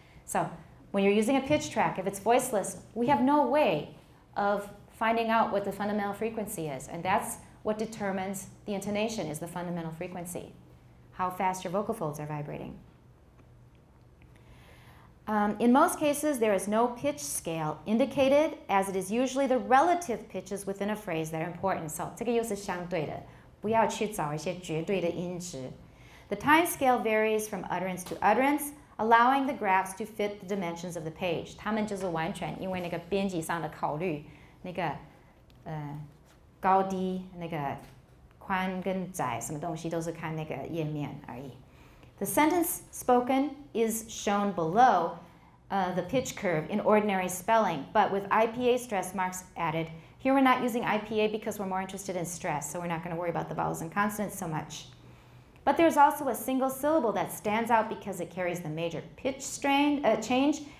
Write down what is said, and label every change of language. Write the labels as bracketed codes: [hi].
[en] So when you're using a pitch track, if it's voiceless, we have no way of finding out what the fundamental frequency is, and that's what determines the intonation, is the fundamental frequency, how fast your vocal folds are vibrating. In most cases, there is no pitch scale indicated, as it is usually the relative pitches within a phrase that are important. [zh] So, 这个又是相对的，不要去找一些绝对的音值。 [en] The time scale varies from utterance to utterance, allowing the graphs to fit the dimensions of the page. [zh] 他们就是完全因为那个编辑上的考虑，那个高低、那个宽跟窄，什么东西都是看那个页面而已。 [en] The sentence spoken is shown below the pitch curve in ordinary spelling, but with IPA stress marks added. Here we're not using IPA because we're more interested in stress, so we're not going to worry about the vowels and consonants so much. But there's also a single syllable that stands out because it carries the major pitch strain change.